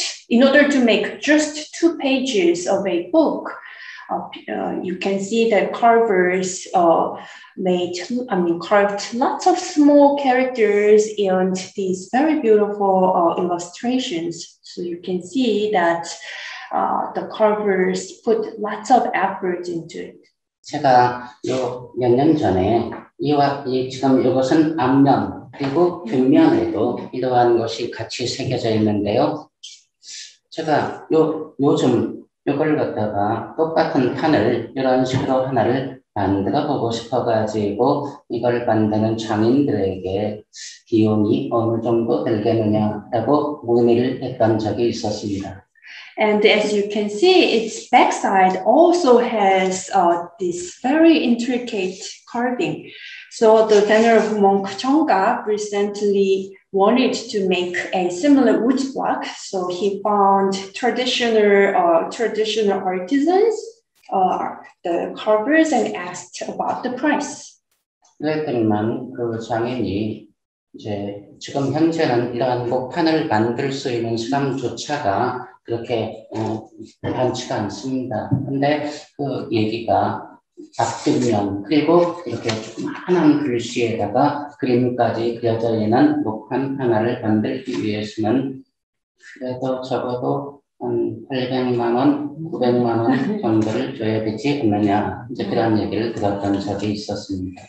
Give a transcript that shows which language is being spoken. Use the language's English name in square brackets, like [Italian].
[English] In order to make just two pages of a book, you can see that carvers carved lots of small characters and these very beautiful illustrations. So you can see that the carvers put lots of effort into it. [Korean] 제가 요 몇 년 전에 이와 이 지금 이것은 앞면 그리고 뒷면에도 이러한 것이 같이 새겨져 있는데요. 제가 요즘 요걸 갖다가 똑같은 판을 이런 식으로 하나를 만들어 보고 싶어 가지고 이걸 만드는 장인들에게 비용이 어느 정도 들겠느냐라고 문의를 했던 적이 있었습니다. [English] And as you can see, its backside also has this very intricate carving. So the venerable monk Wongaksa recently wanted to make a similar wood block. So he found traditional artisans, the carvers, and asked about the price. [Korean] 그랬더니만 그 장인이 이제 지금 현재는 이러한 목판을 만들 수 있는 사람조차가 그렇게 많지가 않습니다. 근데 그 얘기가 앞뒷면 그리고 이렇게 조그만한 글씨에다가 그림까지 그려져 있는 목판 하나를 만들기 위해서는 그래도 적어도 한 800만 원, 900만 원 정도를 줘야 되지 않느냐 이제 그런 얘기를 들었던 적이 있었습니다.